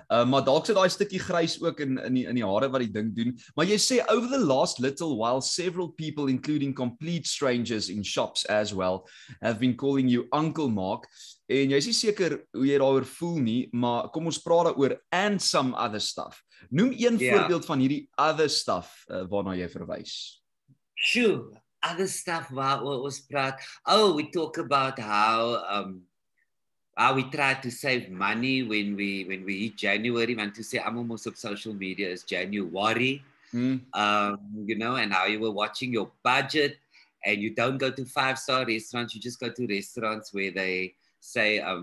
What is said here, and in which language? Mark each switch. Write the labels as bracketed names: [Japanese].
[Afrikaans] Maar dalk sit daai stukkie grys ook in die hare wat die ding doen. Maar jy sê, [English] over the last little while, several people, including complete strangers in shops as well, have been calling you Uncle Mark. [Afrikaans] En jy is nie seker hoe jy daaroor voel nie, maar kom ons praat daaroor [English] and some other stuff. [Afrikaans] Noem een voorbeeld van hierdie [English] other stuff [Afrikaans] waarna jy verwys. [English] Sure. Other stuff [Afrikaans] waar ons praat, [English] we talk about how we try to save money when we hit January, want to say, I'm almost up social media, is January, you know, and how you were watching your budget, and you don't go to 5-star restaurants, you just go to restaurants where they say,